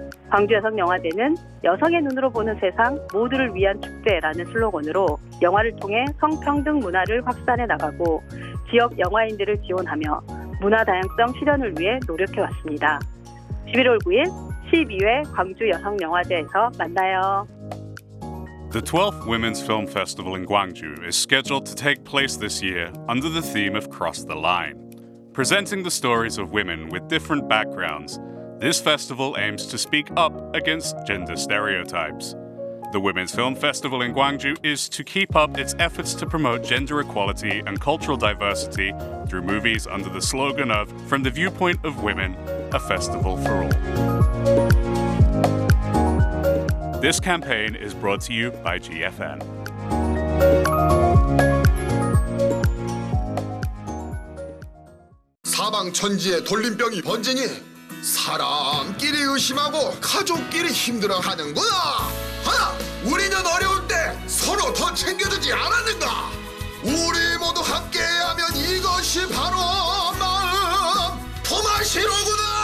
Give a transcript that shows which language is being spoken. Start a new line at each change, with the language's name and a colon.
Korean: 광주여성영화제는 여성의 눈으로 보는 세상 모두를 위한 축제라는 슬로건으로 영화를 통해 성평등 문화를 확산해 나가고 지역 영화인들을 지원하며 문화 다양성 실현을 위해 노력해왔습니다. 11월 9일 12회 광주 여성 영화제에서 만나요.
English: The 12th Women's Film Festival in Gwangju is scheduled to take place this year under the theme of Cross the Line. Presenting the stories of women with different backgrounds, this festival aims to speak up against gender stereotypes. The Women's Film Festival in Gwangju is to keep up its efforts to promote gender equality and cultural diversity through movies under the slogan of From the Viewpoint of Women, a Festival for All. This campaign is brought to you by GFN.
Korean: Sabang천지에 돌림병이 번지니 사람끼리 의심하고 가족끼리 힘들어하는구나. 하나, 우리는 어려울 때 서로 더 챙겨주지 않았는가. 우리 모두 함께하면 이것이 바로 마음 포마시로구나.